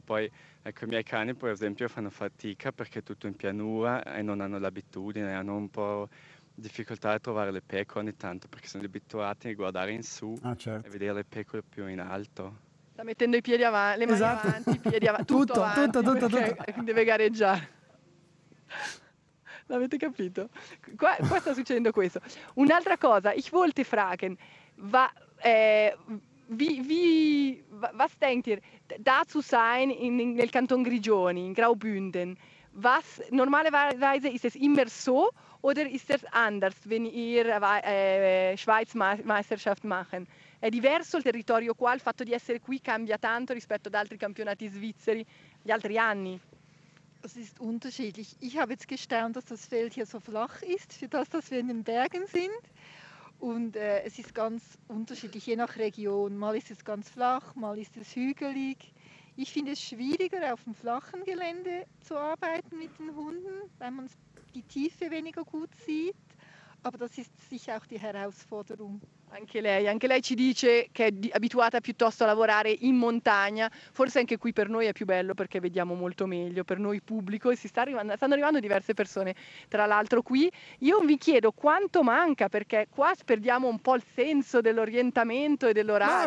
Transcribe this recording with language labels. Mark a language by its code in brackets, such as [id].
[it] Poi, ecco, i miei cani, per esempio, fanno fatica perché è tutto in pianura e non hanno l'abitudine, hanno un po' difficoltà a trovare le pecore ogni tanto perché sono abituati a guardare in su certo. E vedere le pecore più in alto. Sta mettendo i piedi avanti, le mani esatto. Avanti, i piedi avanti, tutto. Deve gareggiare. L'avete capito? Qua sta succedendo questo. Un'altra cosa, [de] ich wollte fragen, was denkt ihr, da zu sein nel Kanton Grigioni, in Graubünden, was normalerweise ist es immer so oder ist es anders, wenn ihr Schweiz Meisterschaft machen? [it] È diverso il territorio qua, il fatto di essere qui cambia tanto rispetto ad altri campionati svizzeri gli altri anni? [de] Es ist unterschiedlich. Ich habe jetzt gestaunt, dass das Feld hier so flach ist, für das, dass wir in den Bergen sind. Und es ist ganz unterschiedlich, je nach Region. Mal ist es ganz flach, mal ist es hügelig. Ich finde es schwieriger, auf dem flachen Gelände zu arbeiten mit den Hunden, weil man die Tiefe weniger gut sieht. Aber das ist sicher auch die Herausforderung. [it] Anche lei ci dice che è abituata piuttosto a lavorare in montagna, forse anche qui per noi è più bello perché vediamo molto meglio, per noi pubblico, e stanno arrivando diverse persone tra l'altro qui. Io vi chiedo quanto manca, perché qua perdiamo un po' il senso dell'orientamento e dell'orario.